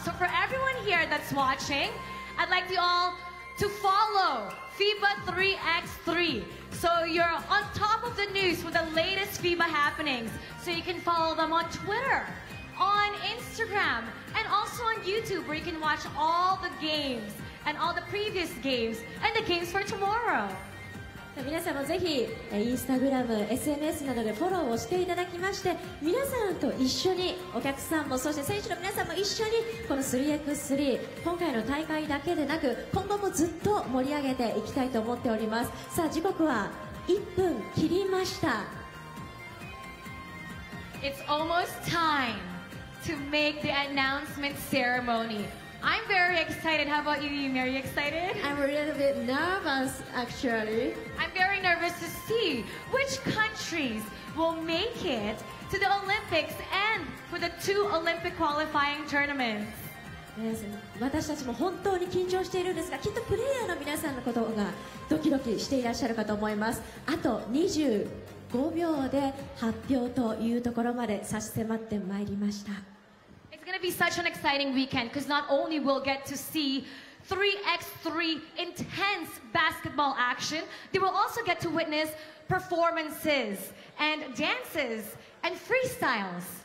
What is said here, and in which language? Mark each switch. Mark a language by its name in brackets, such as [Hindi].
[English] So for everyone here that's watching, I'd like you all to follow FIBA 3x3. So you're on top of the news with the latest FIBA happenings. So you can follow them on Twitter, on Instagram, and also on YouTube, where you can watch all the games and all the previous games and the games for tomorrow. [Japanese] 皆さんもぜひ Instagram、SNS などでフォローをしていただきまして、皆さんと一緒に、お客さんもそして選手の皆さんも一緒にこの 3x3、 今回の大会だけでなく今後もずっと盛り上げていきたいと思っております。さあ時刻は1分切りました。 [English] It's almost time to make the announcement ceremony. I'm very excited. How about you, Yumi? Are you excited? I'm a little bit nervous, actually. I'm very nervous to see which countries will make it to the Olympics and for the two Olympic qualifying tournaments. [Japanese] 私たちも本当に緊張しているんですが、きっとプレイヤーの皆さんのことがドキドキしていらっしゃるかと思います。あと25秒で発表というところまで差し迫ってまいりました。 [English] It's going to be such an exciting weekend because not only will get to see 3x3 intense basketball action, they will also get to witness performances and dances and freestyles.